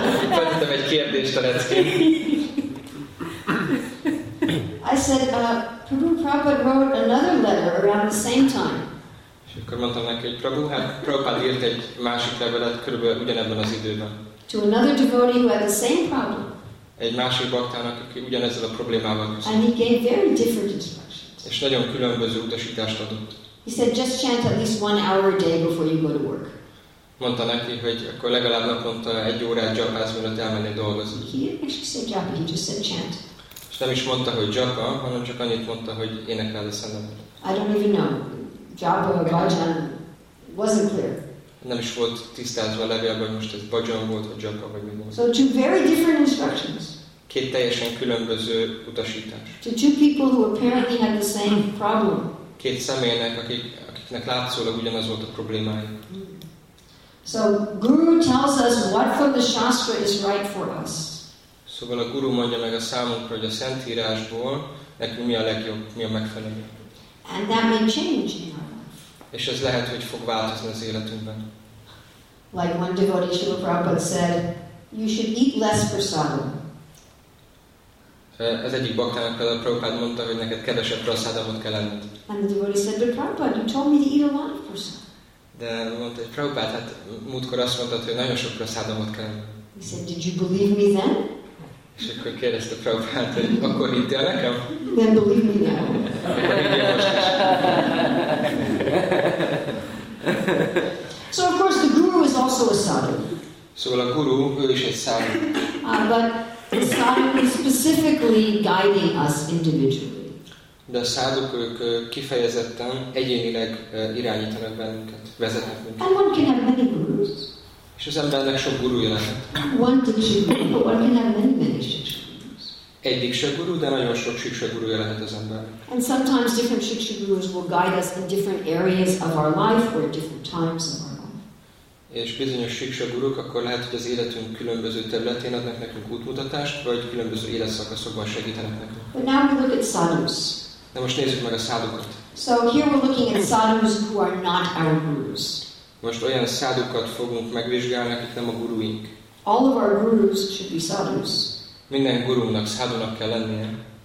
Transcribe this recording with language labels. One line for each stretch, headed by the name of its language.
Hungarian: Feltettem egy kérdést a leckén.
English: I said, Prabhu Prabhupada wrote another letter around the same time.
Hungarian: És akkor mondtam neki, hogy Prabhupada írt egy másik levelet körülbelül ugyanebben az időben.
English: To another devotee who had the same problem.
Hungarian: Egy másik baktának, aki ugyanezzel a problémával küzdött.
English: And he gave very different instructions.
Hungarian: És nagyon különböző utasítást adott.
English: He said, just chant at least 1 hour a day before you go to work.
Hungarian: Mondta neki, hogy akkor legalább naponta egy órát japázz, mielőtt elmennél dolgozni.
English: He actually said japa, he just said chant.
Hungarian: És nem is mondta, hogy japa, hanem csak annyit mondta, hogy énekel a szellemet.
English: I don't even know. Japa, bhajan, wasn't clear.
Hungarian: Nem is volt tisztázva a levélben, most ez bhajan volt, vagy japa, vagy mi volt.
English: So two very different instructions.
Hungarian: Két teljesen különböző utasítás.
English: To two people who apparently had the same problem.
Hungarian: Két személynek, akiknek látszólag ugyanaz volt a problémája.
English: So Guru tells us what for the Shastra is right for us.
Hungarian: Szóval a Guru mondja meg a számunkra, hogy a Szentírásból nekünk mi a legjobb, mi a megfelelő.
English: And that may change.
Hungarian: És ez lehet, hogy fog változni az életünkben.
English: Like one devotee Srila Prabhupada said, you should eat less prasadam.
Hungarian: Ez egyik baktának például Prabhupada mondta, hogy neked kevesebb prasadamot kell enned.
English: And the devotee said, but Prabhupada, you told me to eat a lot of prasadam.
Hungarian: De mondta, hogy Prabhupada, hát múltkor azt mondtad, hogy nagyon sok prasadamot kell enned.
English: He said, did you believe me then?
Hungarian: És akkor kérdezte Prabhupada, hogy akkor hittél nekem?
English: Then believe me now.
Hungarian: Akkor hittél most is.
English: So of course the guru is also a sadhu.
Hungarian: Szóval a guru, ő is egy sadhu.
English: But the sadhu is specifically guiding us individually.
Hungarian: De a sadhuk, ők kifejezetten egyénileg irányítanak bennünket, vezetnek minket.
English: And one can have many gurus.
Hungarian: És az embernek sok gurúja lehet.
English: One teacher, but one can have many, many teachers.
Hungarian: Egyik se guru, de nagyon sok siksa gurúja lehet az ember.
English: And sometimes different siksa gurus will guide us in different areas of our life or at different times of our life.
Hungarian: És bizonyos siksa guruk, akkor lehet, hogy az életünk különböző területén adnak nekünk útmutatást, vagy különböző életszakaszokban segítenek nekünk.
English: But now we look at sadhus.
Hungarian: De most nézzük meg a sadhukat.
English: So here we're looking at sadhus who are not our gurus.
Hungarian: Most olyan sadhukat fogunk megvizsgálni, akik nem a guruink.
English: All of our gurus should be sadhus.
Hungarian: Minden gurúnak, szádunak kell lennie.